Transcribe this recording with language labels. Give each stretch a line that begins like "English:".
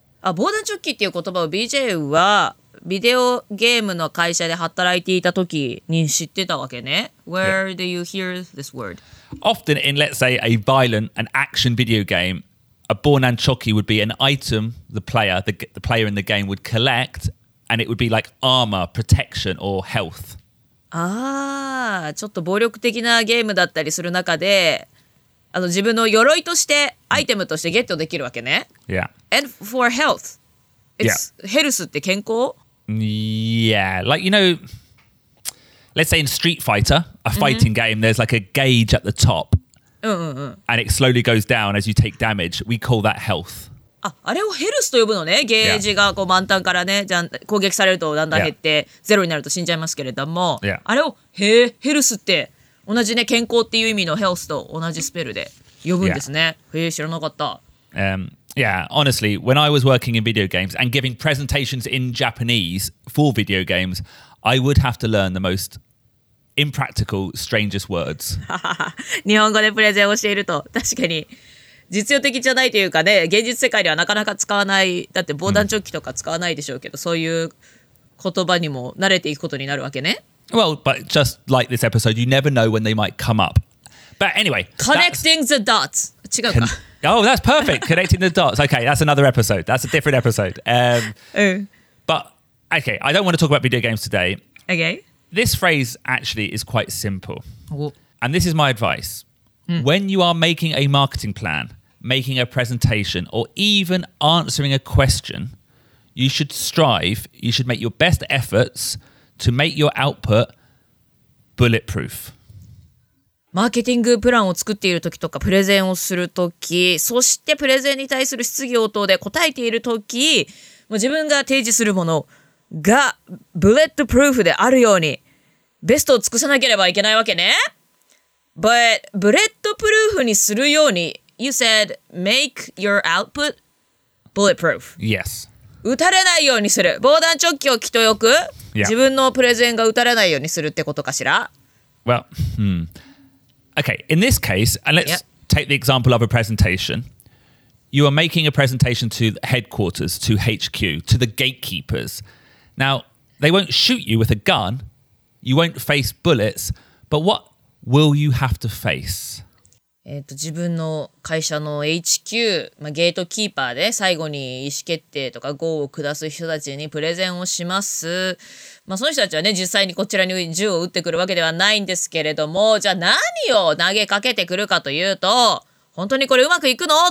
Japanese: Bonanchoki っていう言葉を BJ はビデオゲームの会社で働いていた時に知ってたわけね。
English: Where do you hear this word? Often in, let's say, a violent and action video game,A Bonanchoki would be an item the player in the game would collect, and it would be like armor, protection, or health.
Japanese: Ah, ちょっと暴力的なゲームだったりする中で、あの自分の鎧として、アイテムとしてゲットできるわけね。
English: Yeah. And for health. It's health
Japanese: って健康?
English: Yeah. Like, you know, let's say in Street Fighter, a fighting game, there's like a gauge at the top. And it slowly goes down as you take damage. We call that health.
Japanese: あ、あれをヘルスと呼ぶのね。ゲージがこう満タンからね、じゃん、攻撃されるとだんだん減って、ゼロになると死んじゃいますけれども。
English: Yeah.
Japanese: あれをヘルスって、同じね、健康っていう意味のヘルスと同じスペルで呼ぶんですね。 Yeah. 知らなかった。
English: Yeah, honestly, when I was working in video games and giving presentations in Japanese for video games, I would have to learn the mostimpractical, strangest words.
Japanese: 日本語でプレゼンをしていると確かに実用的じゃないというかね、現実世界ではなかなか使わない、だって防弾チョッキとか使わないでしょうけど、そういう言葉にも慣れていくことになるわけね。
English: Well, but just like this episode, you never know when they might come up. But anyway, connecting the dots.
Japanese: 違うか。
English: Oh, that's perfect. Connecting the dots. Okay, that's another episode. That's a different episode. But okay, I don't want to talk about video games today. Okay. This phrase actually is quite simple. And this is my advice. When you are making a marketing plan, making a presentation, or even answering a question, you should strive, you should make your best efforts to make your output bulletproof.
Japanese: マーケティングプランを作っている時とか、プレゼンをする時、そしてプレゼンに対する質疑応答で答えている時、もう自分が提示するものがブレットプルーフであるようにベストを尽くさなければいけないわけね。
English: But
Japanese: ブレットプルーフにするように
English: You said make your output bulletproof. Yes.
Japanese: 打たれないようにする。防弾チョッキを着とよく、
English: yeah.
Japanese: 自分のプレゼンが打たれないようにするってことかしら。
English: Well, Okay, in this case, and let's take the example of a presentation. You are making a presentation to the headquarters, to HQ, to the gatekeepers. Now, they won't shoot you with a gun, you won't face bullets, but what will you have to face?
Japanese: 自分の会社の HQ、まあ、ゲートキーパーで最後に意思決定とか GO を下す人たちにプレゼンをします。まあ、その人たちはね、実際にこちらに銃を撃ってくるわけではないんですけれども、じゃあ何を投げかけてくるかというと、本当にこれうまくいくの?